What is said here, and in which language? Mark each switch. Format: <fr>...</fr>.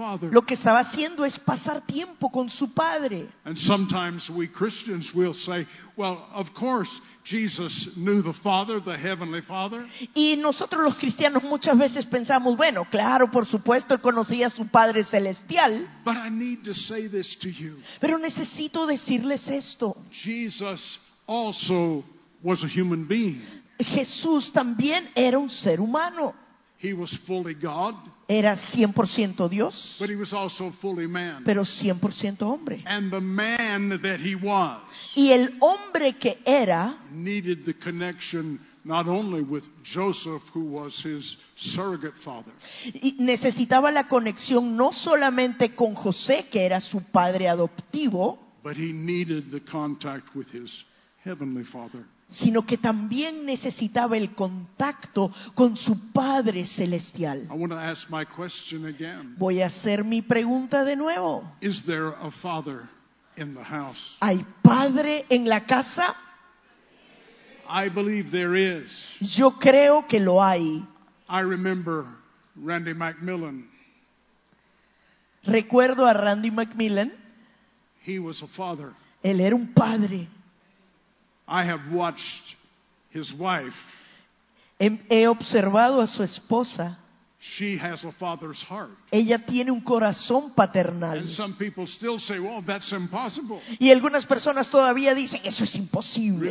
<es>Lo que estaba haciendo es pasar tiempo con su padre.</es> <en>And sometimes we Christians will say, well, of course Jesus knew the Father, the Heavenly Father.</en> <es>Y nosotros los cristianos muchas veces pensamos, bueno, claro, por supuesto, él conocía a su Padre Celestial.</es> <en>But I need to say this to you.</en> <es>Pero necesito decirles esto.</es> <en>Jesus also was a human being.</en> <es>Jesús también era un ser humano.</es> <en>He was fully God,</en> <es>era 100% Dios,</es> <en>but he was also fully man.</en> <es>Pero 100% hombre.</es> <en>And the man that he was,</en> <es>y el hombre que era,</es> <en>needed the connection not only with Joseph, who was his surrogate father.</en> <es>Necesitaba la conexión no solamente con José, que era su padre adoptivo,</es> <en>but he needed the contact with his Heavenly Father.</en> <es>Sino que también necesitaba el contacto con su Padre Celestial.</es> <en>I want to ask my question again.</en> <es>Voy a hacer mi pregunta de nuevo.</es> <en>Is there a father in the house?</en> <es>¿Hay padre en la casa?</es> <en>I believe there is.</en> <es>Yo creo que lo hay.</es> <en>I remember Randy McMillan.</en> <es>Recuerdo a Randy McMillan.</es> <en>He was a father.</en> <es>Él era un padre.</es> <en>I have watched his wife.</en> <es>He observado a su esposa.</es> <en>She has a father's heart.</en> <es>Ella tiene un corazón paternal.</es> <en>And some people still say, "Well, that's impossible."</en> <es>Y algunas personas todavía dicen, "Eso es imposible."</es>